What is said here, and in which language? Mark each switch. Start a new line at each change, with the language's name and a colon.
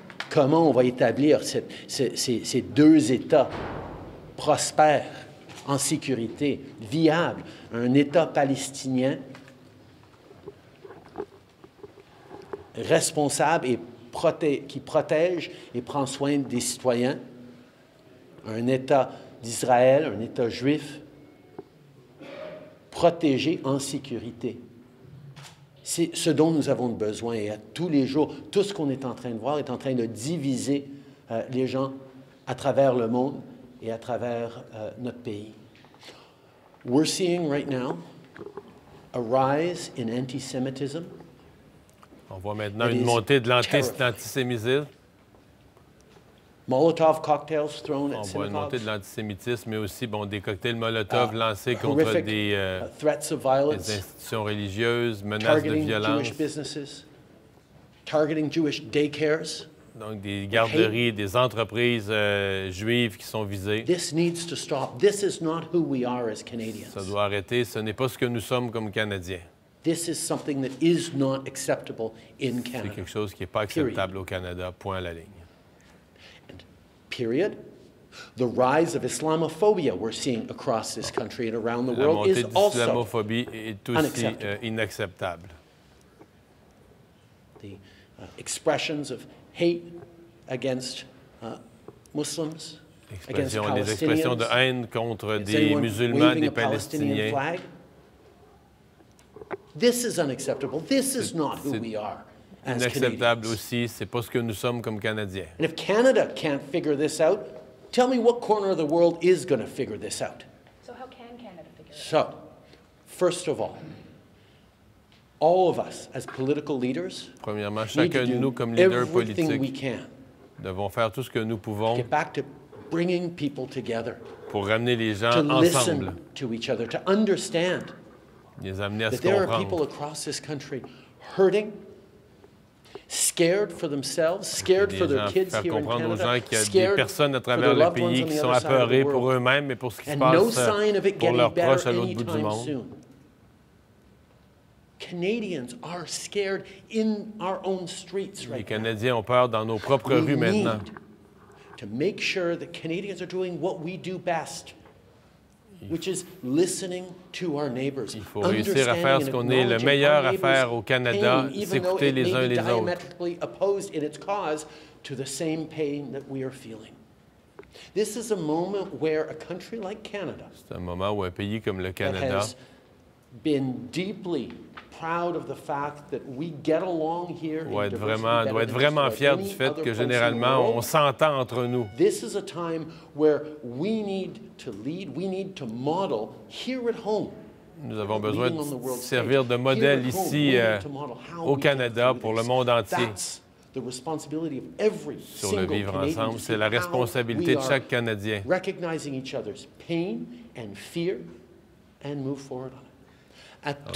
French: Comment on va établir ces deux États prospères, en sécurité, viables, un État palestinien responsable et qui protège et prend soin des citoyens, un État d'Israël, un État juif, protégés en sécurité. C'est ce dont nous avons besoin. Et à tous les jours, tout ce qu'on est en train de voir est en train de diviser les gens à travers le monde et à travers notre pays.
English: We're seeing right now a rise in antisemitism.
French: On voit maintenant une montée de l'antisémitisme.
English: Molotov cocktails thrown at synagogues.
French: On voit une montée de l'antisémitisme, mais aussi bon, des cocktails Molotov lancés contre des,
English: threats of violence,
French: des institutions religieuses, menaces de violence.
English: Jewish businesses, targeting Jewish daycares,
French: donc des garderies, des entreprises juives qui sont visées.
English: This needs to stop. This is not who we are as Canadians.
French: Ça doit arrêter. Ce n'est pas ce que nous sommes comme Canadiens.
English: This is something that is not acceptable in Canada.
French: C'est quelque chose qui n'est pas acceptable au Canada. Point à la ligne.
English: Period. The rise of Islamophobia we're seeing across this country and around the world is also unacceptable.
French: Est aussi, inacceptable.
English: The expressions of hate against Muslims, against Palestinians.
French: Les expressions de haine contre des musulmans, des Palestiniens.
English: This is unacceptable. This is not who we are.
French: Inacceptable aussi, c'est pas ce que nous sommes comme Canadiens.
English: And if Canada can't figure this out, tell me what corner of the world is going to figure this out. So how can Canada figure it out? So, first of all of us as political leaders,
French: premièrement, chacun de nous comme leaders politiques, devons faire tout ce que nous pouvons
English: to get back to bringing people together,
French: pour ramener les gens ensemble,
English: to listen to each other, to understand
French: les amener à
English: that there are people across this country hurting, scared for themselves, scared for their kids here in
French: Canada, aux gens qu'il y a des personnes à travers le pays qui sont apeurées pour eux-mêmes et pour ce qui se passe pour leurs proches à l'autre bout du monde.
English: Canadians are scared in our own streets right now.
French: Les Canadiens ont peur dans nos propres rues maintenant.
English: To make sure that Canadians are doing what we do best, which is listening to our neighbors.
French: Il faut réussir à faire ce qu'on est le meilleur à faire au Canada, s'écouter les uns les autres.
English: Diametrically opposed in its cause to the same pain that we are feeling. This is a moment where a country like Canada,
French: c'est un moment où un pays comme le Canada,
English: has been deeply proud of the fact that we get along here.
French: Doit être vraiment fier du fait que généralement on s'entend entre nous.
English: This is a time where we need to lead, we need to model here at home.
French: Nous avons besoin de servir de modèle ici au Canada pour le monde entier.
English: The responsibility of every single
French: sur le vivre ensemble, c'est la responsabilité de chaque Canadien.
English: Recognizing each other's pain and fear and move forward on it.